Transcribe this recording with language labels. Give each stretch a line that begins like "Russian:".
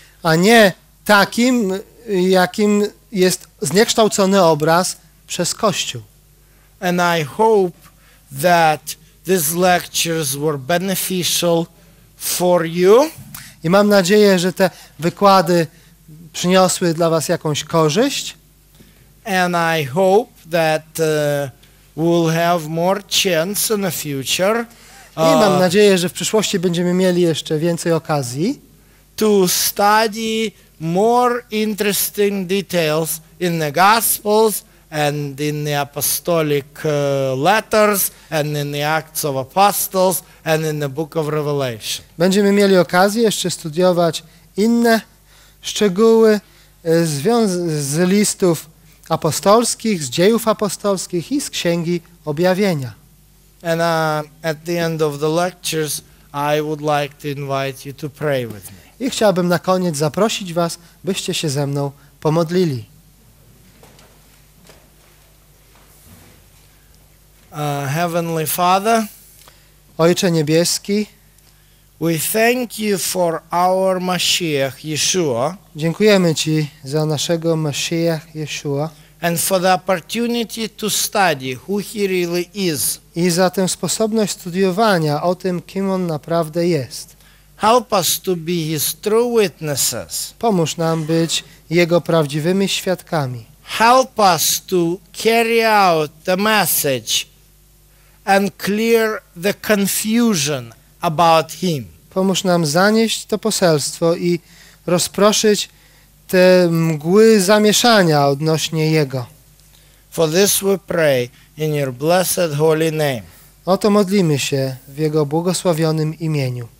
Polish: A nie takim, jakim jest zniekształcony obraz przez Kościół.
English: And I hope that these lectures were beneficial for you.
Polish: I mam nadzieję, że te wykłady przyniosły dla was jakąś korzyść.
English: And I hope that we'll have more chance in the future.
Polish: I mam nadzieję, że w przyszłości będziemy mieli jeszcze więcej okazji
English: to study more interesting details in the Gospels and in the apostolic letters, and in the Acts of Apostles, and in the Book of Revelation.
Polish: Będziemy mieli okazję jeszcze studiować inne szczegóły z listów apostolskich, z dziejów apostolskich i z Księgi Objawienia.
English: And at the end of the lectures, I would like to invite you to pray with me.
Polish: I chciałbym na koniec zaprosić was, byście się ze mną pomodlili.
English: Heavenly Father,
Polish: Ojcze Niebieski,
English: we thank you for our Mashiach Yeshua.
Polish: Dziękujemy ci za naszego Mashiach Yeshua.
English: And for the opportunity to study who he really is.
Polish: I za tę sposobność studiowania o tym, kim on naprawdę jest.
English: Help us to be his true witnesses.
Polish: Pomóż nam być jego prawdziwymi świadkami.
English: Help us to carry out the message and clear the confusion about him.
Polish: Pomóż nam zanieść to poselstwo i rozproszyć te mgły zamieszania odnośnie jego.
English: For this we pray in your blessed holy name.
Polish: Oto modlimy się w jego błogosławionym imieniu.